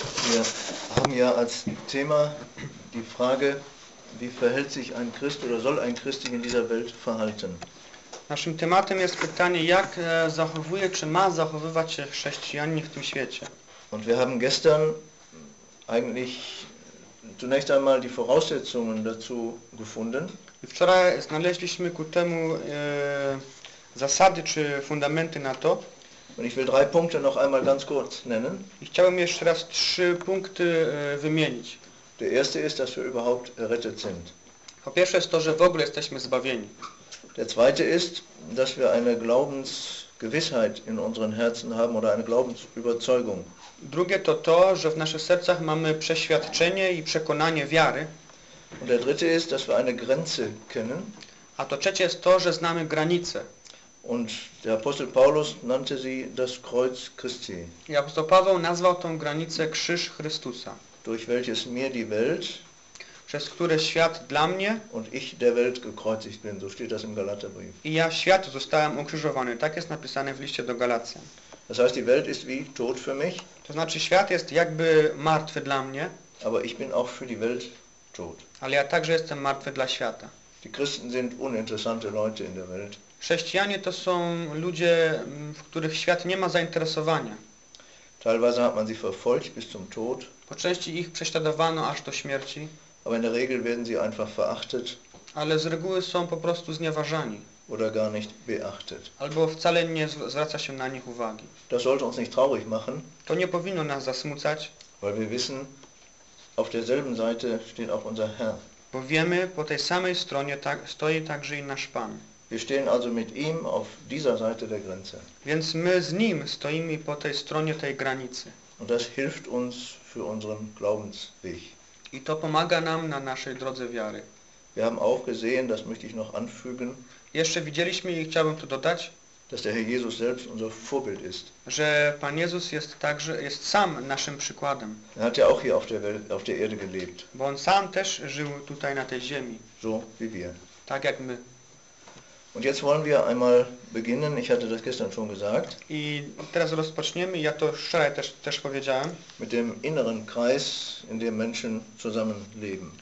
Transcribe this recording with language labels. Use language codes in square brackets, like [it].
[de] Wir haben ja als Thema die Frage, wie verhält sich ein Christ oder soll ein Christ sich in dieser Welt verhalten? [pl] Naszym tematem jest pytanie, jak zachowuje, czy ma zachowywać się chrześcijanin w tym świecie. [de] Und wir haben gestern eigentlich zunächst einmal die Voraussetzungen dazu gefunden. [pl] I wczoraj znaleźliśmy ku temu zasady, czy fundamenty na to. [de] Und ich will drei Punkte noch einmal ganz kurz nennen. [pl] I chciałbym jeszcze raz trzy punkty wymienić. [de] Der erste ist, dass wir überhaupt errettet sind. [pl] Po pierwsze jest to, że w ogóle jesteśmy zbawieni. [de] Der zweite ist, dass wir eine Glaubensgewissheit in unseren Herzen haben oder eine Glaubensüberzeugung. [pl] Drugie to to, że w naszych sercach mamy przeświadczenie i przekonanie wiary. [de] Und der dritte ist, dass wir eine Grenze kennen. [pl] A to trzecie jest to, że znamy granice. [de] Und der Apostel Paulus nannte sie das Kreuz Christi. [pl] I apostoł Paweł nazwał tą granicę Krzyż Chrystusa. [de] Durch welches mir die Welt, [pl] przez które świat dla mnie [de] und ich der Welt gekreuzigt bin, so steht das im Galaterbrief. [pl] I ja światu zostałem ukrzyżowany, tak jest napisane w liście do Galacjan. [de] Das heißt, die Welt ist wie tot für mich. [pl] To znaczy, świat jest jakby martwy dla mnie. [de] Aber ich bin auch für die Welt tot. [pl] Ale ja także jestem martwy dla świata. [de] Die Christen sind uninteressante Leute in der Welt. [pl] Chrześcijanie to są ludzie, w których świat nie ma zainteresowania. [de] Teilweise hat man sie verfolgt bis zum Tod. [pl] Po części ich prześladowano aż do śmierci. [de] Aber in der Regel werden sie einfach verachtet. [pl] Ale z reguły są po prostu znieważani. [de] Oder gar nicht beachtet. [pl] Albo wcale nie zwraca się na nich uwagi. [de] Das sollte uns nicht traurig machen. [pl] To nie powinno nas zasmucać. [de] Weil wir wissen, auf derselben Seite steht auch unser Herr. [pl] Bo wiemy, po tej samej stronie stoi także i nasz Pan. [de] Wir stehen also mit ihm auf dieser Seite der Grenze. [pl] Więc my z nim stoimy po tej stronie tej granicy. [de] Und das hilft uns für unseren Glaubensweg. [pl] I to pomaga nam na naszej drodze wiary. [de] Wir haben auch gesehen, das möchte ich noch anfügen, [pl] jeszcze widzieliśmy i chciałbym tu dodać, [de] dass der Herr Jesus selbst unser Vorbild ist. [pl] Że Pan Jezus jest także, jest sam naszym przykładem. [de] Er hat ja auch hier auf der Erde gelebt. [pl] Bo on sam też żył tutaj na tej ziemi. [de] So wie wir. [pl] Tak jak my. [de] Und jetzt wollen wir einmal beginnen. Ich hatte das gestern schon gesagt. [pl] I teraz rozpoczniemy, ja to wczoraj też powiedziałem. [de] Mit dem inneren Kreis, in dem Menschen zusammenleben.